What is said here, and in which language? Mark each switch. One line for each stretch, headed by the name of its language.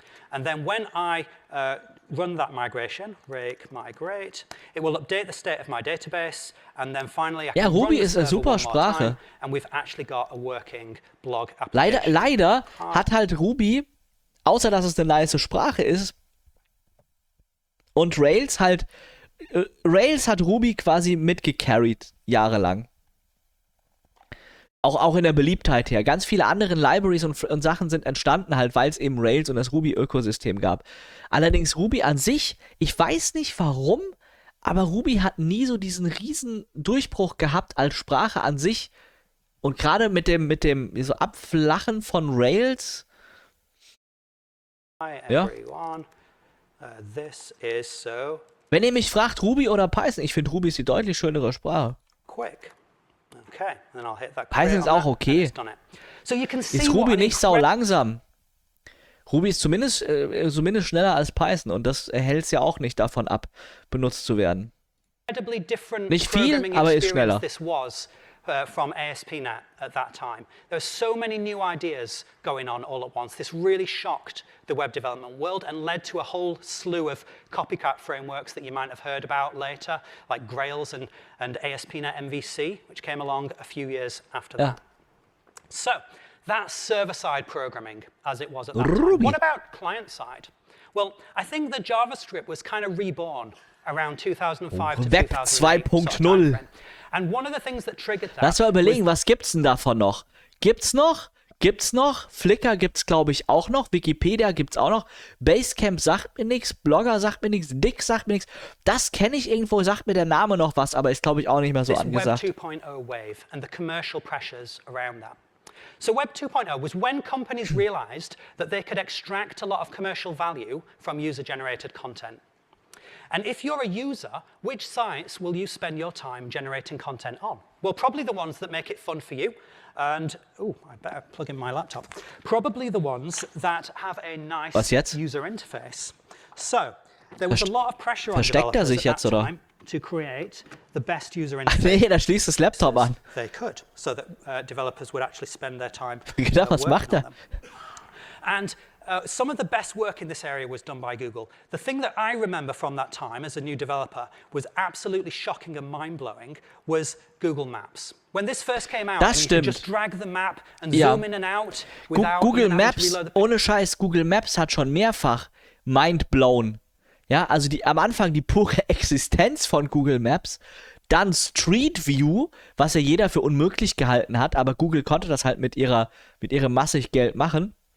English: And then when I run that migration, rake migrate, it will update the state of my database, and then finally I can
German: Ruby ist eine super Sprache.
English: And we've actually got a working blog application.
German: Leider hat halt Ruby, außer dass es eine nice Sprache ist, und Rails halt, Rails hat Ruby quasi mitgecarried, jahrelang. Auch in der Beliebtheit her. Ganz viele andere Libraries und Sachen sind entstanden halt, weil es eben Rails und das Ruby-Ökosystem gab. Allerdings Ruby an sich, ich weiß nicht warum, aber Ruby hat nie so diesen riesen Durchbruch gehabt als Sprache an sich. Und gerade mit dem so Abflachen von Rails.
English: Hi everyone. Ja. This is so.
German: Wenn ihr mich fragt, Ruby oder Python, ich finde Ruby ist die deutlich schönere Sprache.
English: Quick. Okay, and then I'll hit that
German: Python ist auch okay.
English: So you can see
German: ist Ruby nicht sau langsam? Ruby ist zumindest schneller als Python und das hält es ja auch nicht davon ab, benutzt zu werden. Nicht viel, aber ist schneller.
English: This was from ASP.NET at that time. There were so many new ideas going on all at once. This really shocked the web development world and led to a whole slew of copycat frameworks that you might have heard about later, like Grails and ASP.NET MVC, which came along a few years after that. So that's server-side programming as it was at that time. What about client-side? Well, I think that JavaScript was kind of reborn around 2005 to 2008. Web 2.0. And one of the things that triggered that.
German: Lass mal überlegen, was gibt's denn davon noch? Gibt's noch? Flickr gibt's glaube ich auch noch, Wikipedia gibt's auch noch, Basecamp sagt mir nichts, Blogger sagt mir nichts, Dick sagt mir nichts. Das kenne ich irgendwo, sagt mir der Name noch was, aber ist glaube ich auch nicht mehr so angesagt.
English: Web 2.0 wave and the commercial pressures around that. So Web 2.0 was when companies realized that they could extract a lot of commercial value from user generated content. And if you're a user, which sites will you spend your time generating content on? Well, probably the ones that make it fun for you. And, I better plug in my laptop. Probably the ones that have a nice user interface. So, there was a lot of pressure on developers at that time to create the best user interface.
German: Nee, da schließt das Laptop an.
English: They could, so that developers would actually spend their time
German: genau, was macht er?
English: And some of the best work in this area was done by Google. The thing that I remember from that time as a new developer was absolutely shocking and mind-blowing was Google Maps. When this first came out,
German: das stimmt.
English: You could just drag the map and zoom in and out without
German: Google Maps, ohne Scheiß, Google Maps hat schon mehrfach mind-blown. Ja, also am Anfang die pure Existenz von Google Maps, dann Street View, was ja jeder für unmöglich gehalten hat, aber Google konnte das halt mit ihrem massig Geld machen.